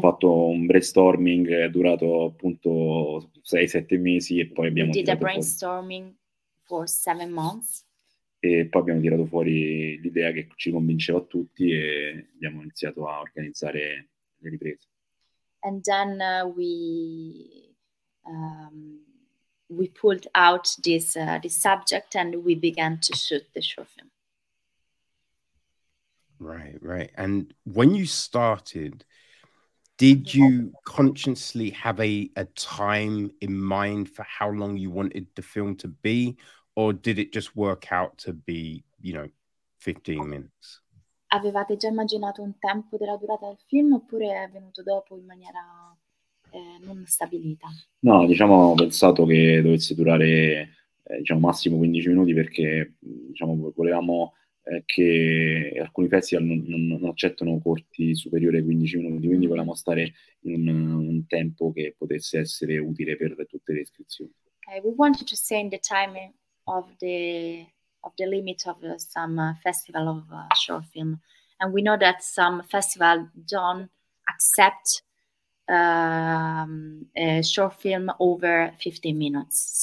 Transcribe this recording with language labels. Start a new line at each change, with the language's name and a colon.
Italian: fatto un brainstorming, è durato appunto 6-7 mesi e poi
English: we
Italian: abbiamo
English: did a
Italian: tirato fuori.
English: brainstorming for 7 months.
Italian: E poi abbiamo tirato fuori l'idea che ci convinceva a tutti e abbiamo iniziato a organizzare le riprese.
English: And then we pulled out this subject and we began to shoot the short film. Right. And when you started, did you consciously have a time in mind for how long you wanted the film to be? Or did it just work out to be, 15 minutes?
Italian: Avevate già immaginato un tempo della durata del film oppure è venuto dopo in maniera non stabilita? No, diciamo, ho pensato che dovesse durare, diciamo, massimo 15 minuti perché, diciamo, volevamo, che alcuni festival non accettano corti superiori ai 15 minuti, quindi volevamo stare in un tempo che potesse essere utile per tutte le iscrizioni.
English: Okay, we wanted to stay in the timing of the limit of some festival of short film, and we know that some festival don't accept a short film over 15 minutes.